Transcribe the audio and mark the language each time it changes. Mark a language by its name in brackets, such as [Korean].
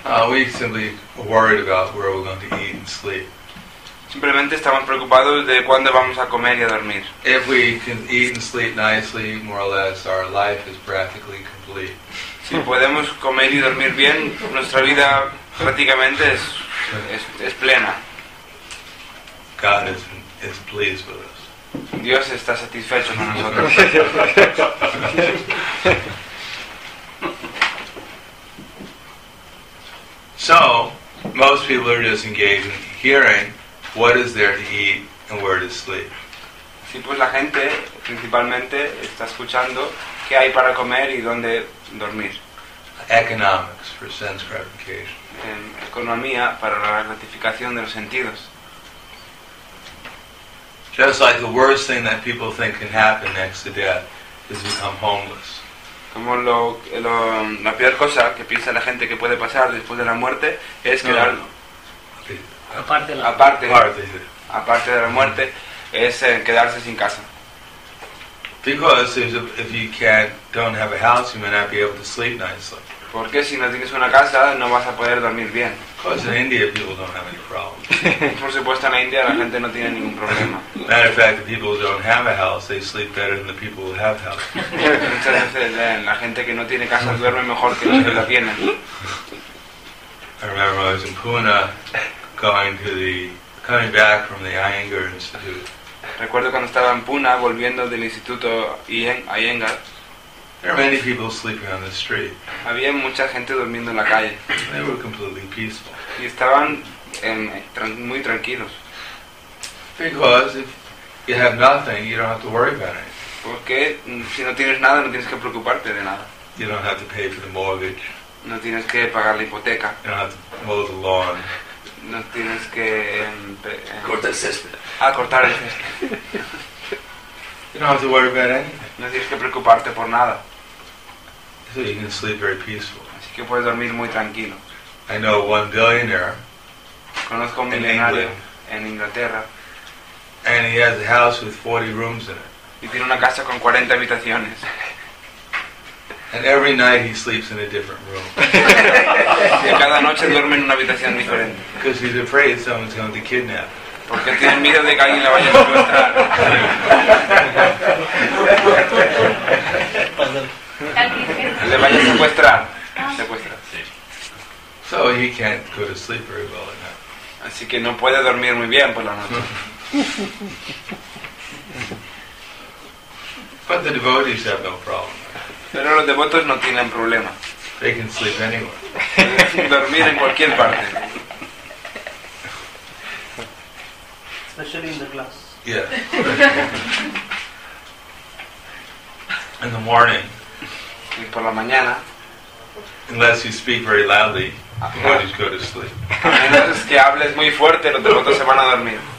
[English] We simply worried about where we're going to eat and sleep. [Spanish] Simplemente estamos preocupados de cuándo vamos a comer y a dormir. [English] If we can eat and sleep nicely, more or less, our life is practically complete. [Spanish] Si podemos comer y dormir bien, nuestra vida prácticamente es plena. [English] God is pleased with us. [Spanish] Dios está satisfecho con nosotros. [English] So, most people are just engaged in hearing. What is there to eat and where to sleep? [Spanish] Sí, pues la gente principalmente está escuchando qué hay para comer y dónde dormir. [English] Economics for sense gratification. [Spanish] Economía para la gratificación de los sentidos. [English] Just like the worst thing that people think can happen next to death is become homeless. [Spanish] Como la peor cosa que piensa la gente que puede pasar después de la muerte es quedar. No. Aparte de la muerte, es quedarse sin casa. [English] Because if you don't have a house, you may not be able to sleep nicely. [Spanish] Porque si no tienes una casa, no vas a poder dormir bien. [English] Because in India, people don't have any problems. [Spanish] Por supuesto, en la India la gente no tiene ningún problema. [English] Matter of fact, the people who don't have a house, they sleep better than the people who have houses. [Spanish] Muchas veces la gente que no tiene casa duerme mejor que los que la tienen. [English] I remember when I was in Pune. Coming back from the Iyengar Institute. [Spanish] Recuerdo cuando estaba en Pune volviendo del Instituto Iyengar. [English] There were many people sleeping on the street. [Spanish] Había mucha gente durmiendo en la calle. [English] They were completely peaceful. [Spanish] Y estaban muy tranquilos. [English] Because if you have nothing, you don't have to worry about it. [Spanish] Porque si no tienes nada, no tienes que preocuparte de nada. [English] You don't have to pay for the mortgage. [Spanish] No tienes que pagar la hipoteca. [English] You don't have to mow the lawn. [Spanish] No tienes que cortar el césped. Cortar el césped. [English] You don't have to worry about anything. [Spanish] No tienes que preocuparte por nada. [English] So you can sleep very peaceful. [Spanish] Así que puedes dormir muy tranquilo. [English] I know one billionaire. [Spanish] Conozco un millonario en Inglaterra. [English] And he has a house with 40 rooms in it. [Spanish] Y tiene una casa con 40 habitaciones. [English] And every night he sleeps in a different room. [Spanish] Y cada noche duerme en una habitación diferente. [English] Because he's afraid someone's going to kidnap. [Spanish] Porque tiene miedo de que alguien la vaya a secuestrar. Le vaya a secuestrar. [English] So he can't go to sleep very well at night. [Spanish] Así que no puede dormir muy bien por la noche. [English] But the devotees have no problem. [Spanish] Pero los devotos no tienen problema. [English] They can sleep anywhere. [Spanish] dormir en cualquier parte. [English] Especially in the class. Yeah. In the morning. [Spanish] Y por la mañana. [English] Unless you speak very loudly, you just go to sleep. [Spanish] Entonces que hables muy fuerte, los devotos se van a dormir.